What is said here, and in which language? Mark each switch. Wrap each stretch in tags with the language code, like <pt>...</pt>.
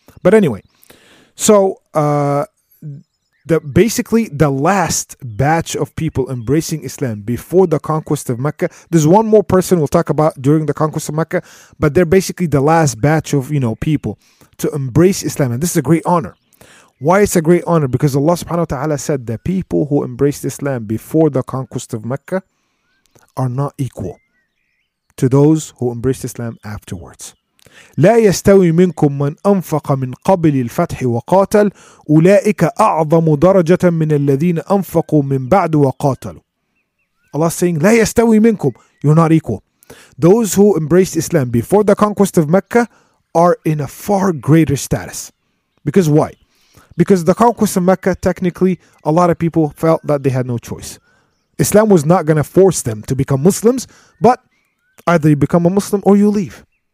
<en>But anyway, so basically the last batch of people embracing Islam before the conquest of Mecca, there's one more person we'll talk about during the conquest of Mecca, but they're basically the last batch of, you know, people to embrace Islam. And this is a great honor. Why it's a great honor? Because Allah subhanahu wa ta'ala said the people who embraced Islam before the conquest of Mecca are not equal. to those who embraced Islam afterwards.</en> <ar>لا يستوي منكم من أنفق من قبل الفتح وقاتل أولئك أعظم درجة من الذين أنفقوا من بعد وقاتلوا.</ar> <en>Allah is saying</en> <ar>لا يستوي منكم,</ar> <en>you're not equal. Those who embraced Islam before the conquest of Mecca are in a far greater status. Because why? Because the conquest of Mecca, technically, a lot of people felt that they had no choice. Islam was not going to force them to become Muslims, but either you become a Muslim or you leave.</en>